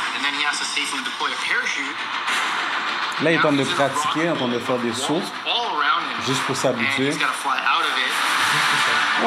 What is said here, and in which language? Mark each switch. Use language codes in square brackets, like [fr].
[en] And then he has to safely deploy a parachute. [fr] Là, il est en train de pratiquer, en train de faire des sauts, juste pour s'habituer. [en] And he's got to fly out of it.